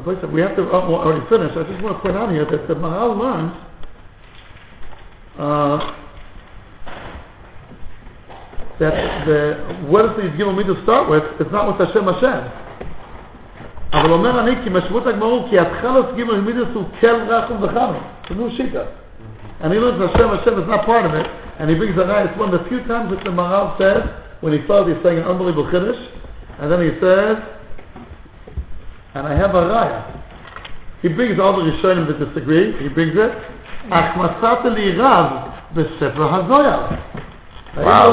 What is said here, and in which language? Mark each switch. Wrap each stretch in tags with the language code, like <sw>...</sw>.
<en>We have to, we're already finished. I just want to point out here that the Mahal learns that the what is he's given me to start with, it's not with Hashem Hashem.</en> <he>אבל אומר אני כי משמעות הגמרא כי התחלת גימל מידס הוא כל רחום וחמי. זה נו שיטה. אני לא יודע, השם השם</he> <en>is not part of it. And he brings the right one a few times that the Maharal says, when he thought he's saying an unbelievable Kiddush, and then he says, and I have a raya. He brings all the Rishonim that disagree, he brings it,</en> <he>אך מצאת לי רב בספר הזויה.</he> <en>Wow.</en>